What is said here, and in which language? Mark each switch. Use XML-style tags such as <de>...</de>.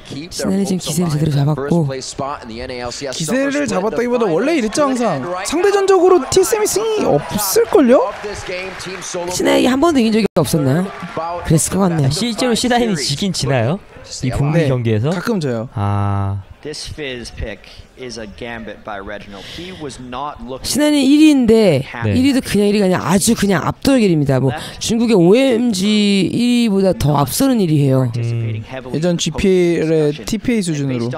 <ko>신한이 지금 기세를 제대로 잡았고 기세를 잡았다기보다 원래 이랬죠. 항상 상대전적으로 TSM이 승이 없을걸요? 신한이 한 번도 이긴 적이 없었나요? 그랬을 것 같네요. 실제로 신한이 지긴 지나요? 이 북미 경기에서 가끔 져요. 아.</ko> <en>This Fizz pick is a gambit by Reginald. He was not looking.</en> <ko>신한이 1위인데 1위도 그냥 1위가 아니라 아주 그냥 압도적입니다. 뭐 중국의 OMG 1위보다 더 앞서는 1위예요. 예전 GPL의 TPA 수준으로</ko>